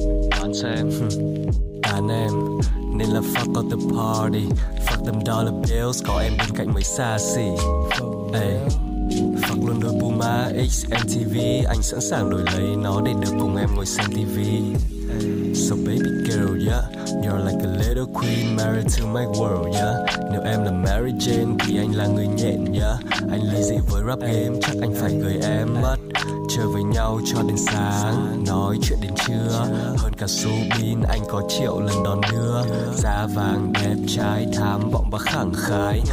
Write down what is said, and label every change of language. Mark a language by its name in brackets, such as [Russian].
[Vietnamese] đoán xem. Tán em, nên là [English] fuck all the party. Fuck them dollar bills, [Vietnamese] có em bên cạnh mới xa xỉ. [English] Hey, fuck [Vietnamese] luôn đôi Puma XMTV. Anh sẵn sàng đổi lấy nó để được cùng em ngồi xem TV. [English] So baby girl, yeah, you're like a little queen married to my world, yeah. [Vietnamese] Nếu em là Mary Jane thì anh là người nhện, yeah. Anh ly dị với rap game, chắc anh phải cười em mất. Chơi với nhau cho đến sáng, nói chuyện đến trưa. Hơn cả Subin, anh có triệu lần đón đưa. Da vàng đẹp trai, tham vọng và khẳng khái.